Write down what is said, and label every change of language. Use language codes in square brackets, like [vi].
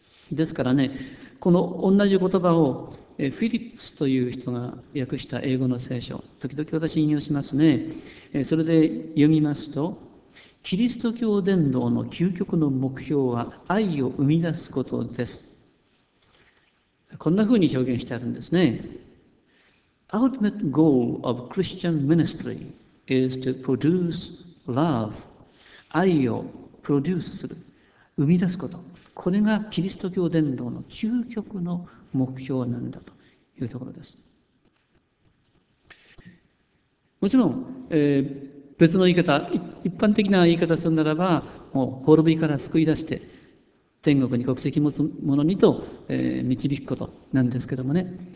[ja] ですからね、この同じ言葉をフィリップスという人が訳した英語の聖書、時々私引用しますね。それで読みますと、キリスト教伝道の究極の目標は愛を生み出すことです。こんな風に表現してあるんですね。 [en] Ultimate goal of Christian ministry is to produce love. [ja] 愛をプロデュースする。生み出すこと。これがキリスト教伝道の究極の目標なんだというところです。もちろん、別の言い方、一般的な言い方をするならば、もう滅びから救い出して天国に国籍持つ者にと、導くことなんですけどもね。